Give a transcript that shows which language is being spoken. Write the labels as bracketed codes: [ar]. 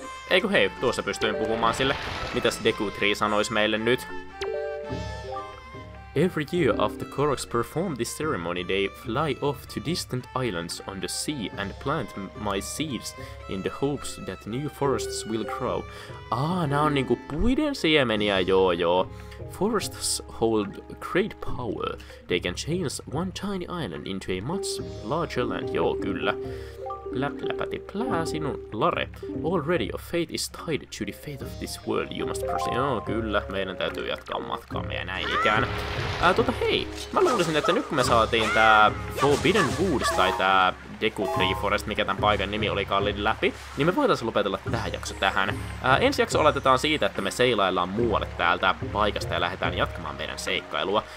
[fi] Eiku hei, tuossa pystyin puhumaan sille. Mitäs Deku Tree sanois meille nyt? [en] Every year after Koroks perform this ceremony, they fly off to distant islands on the sea and plant my seeds in the hopes that new forests will grow. [fi] Ah, nää on niinku puiden siemeniä, joo joo. [en] Forests hold great power. They can change one tiny island into a much larger land. [fi] Joo, kyllä. Läpläpäti plää sinun lare. [en] Already your fate is tied to the fate of this world. You must proceed. [fi] Joo, kyllä. Meidän täytyy jatkaa matkaamme ja näin ikään. Hei. Mä luulisin, että nyt kun me saatiin tää Forbidden Woods tai tää Deku Tree Forest, mikä tän paikan nimi oli kallin läpi, niin me voitaisiin lopetella tää jakso tähän. Ensi jakso oletetaan siitä, että me seilaillaan muualle täältä paikasta ja lähdetään jatkamaan meidän seikkailua.